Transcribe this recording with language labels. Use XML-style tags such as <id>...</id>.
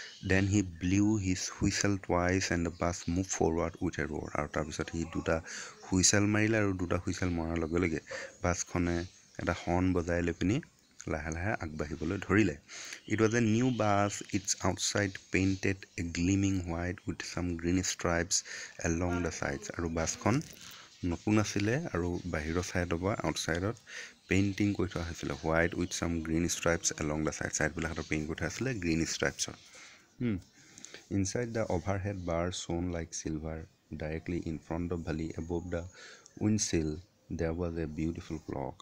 <en>Then he blew his whistle twice and the bus moved forward with a roar.</en> <as>আৰু তাৰপিছত সি দুটা whistle মাৰিলে আৰু দুটা হুইচেল মৰাৰ লগে লগে বাছখনে এটা হৰ্ণ বজাই লৈ পিনি লাহে লাহে আগবাঢ়িবলৈ ধৰিলে.</as> <en>It was a new bus, its outside painted a gleaming white with some green stripes along the sides.</en> <as>আৰু বাছখন নতুন আছিলে আৰু বাহিৰৰ ছাইডৰ পৰা আউটছাইডত পেইণ্টিং কৰি থোৱা হৈছিলে</as> <en>white with some green stripes along the side,</en> <as>ছাইডবিলাকত paint কৰি থোৱা আছিলে green ষ্ট্ৰাইপছত.</as> <en>Inside the overhead bar shone like silver. Directly in front of Bali, above the windshield, there was a beautiful clock.</en>